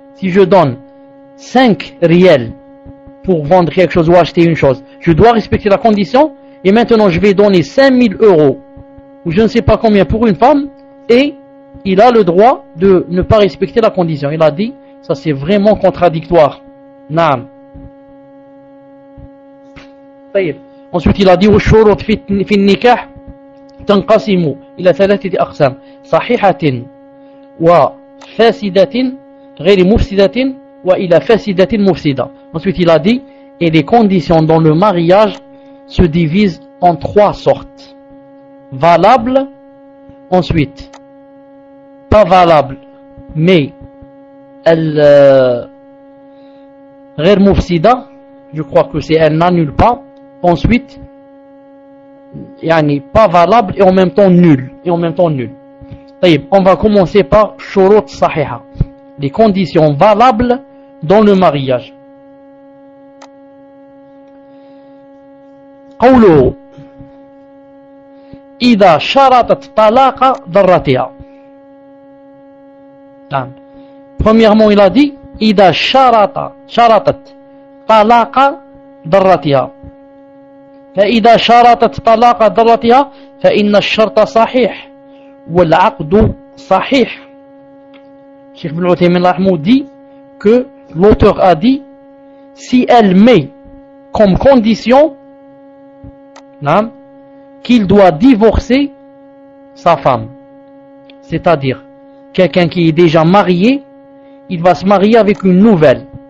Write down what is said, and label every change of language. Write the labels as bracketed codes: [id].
[fr] Si je donne 5 riels pour vendre quelque chose ou acheter une chose, je dois respecter la condition, et maintenant je vais donner 5000 euros ou je ne sais pas combien pour une femme, et il a le droit de ne pas respecter la condition. Il a dit, ça c'est vraiment contradictoire. [ar] Naam. [fr] Ensuite il a dit, [ar] وَشُرُطْ فِي النِّكَحْ تَنْقَسِمُ إِلَى ثَلَاثَةِ أَقْسَامٍ صَحِيحَةٍ وَفَاسِدَةٍ غَيْرِ مُفْسِدَةٍ وَإِلَى فَاسِدَةٍ مُفْسِدَةٍ. [fr] Ensuite il a dit, et les conditions dans le mariage se divisent en trois sortes: valable, ensuite pas valable, mais elle [ar] غَيْرِ مُفْسِدَةٍ, [fr] je crois que c'est elle n'annule pas. Ensuite, yani pas valable et en même temps nul. Taïb, on va commencer par shurut sahiha, les conditions valables dans le mariage. [ar] Qawlu idha sharatat talaqa darratiha. [fr] Premièrement, il a dit [ar] idha sharatat talaqa darratiha. فإذا شرطت طلاق ضرتها فإن الشرط صحيح والعقد صحيح. [fr] Cheikh Ibn Uthaymin Rahimahullah dit que l'auteur a dit, si elle met comme condition qu'il doit divorcer sa femme, c'est-à-dire quelqu'un qui est déjà marié, il va se marier avec une nouvelle.